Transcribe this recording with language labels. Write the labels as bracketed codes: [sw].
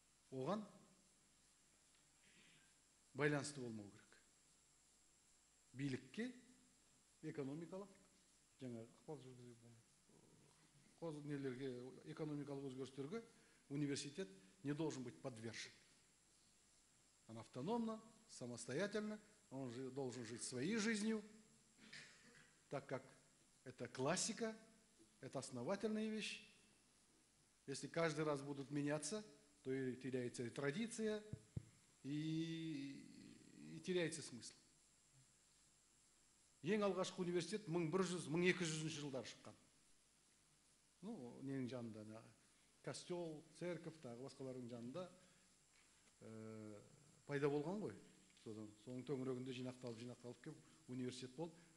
[kk] Оған байланысты болмау керек. Билікке экономикалық жаңағы экономикалық өзгерістерге университет [ru] не должен быть подвержен. Он автономно, самостоятельно, он же должен жить своей жизнью, так как это классика, это основательная вещь. Если каждый раз будут меняться, то и теряется и традиция, и теряется смысл. [kk] Ең алғашқы университет 1100-1200 жылдар шыққан. Ну, ненің жанында, [ru] костел, церковь, [kk] тағы басқаларының жанында пайда болған ғой. Содан, соның төңірегінде жинақталып кеп университет болып.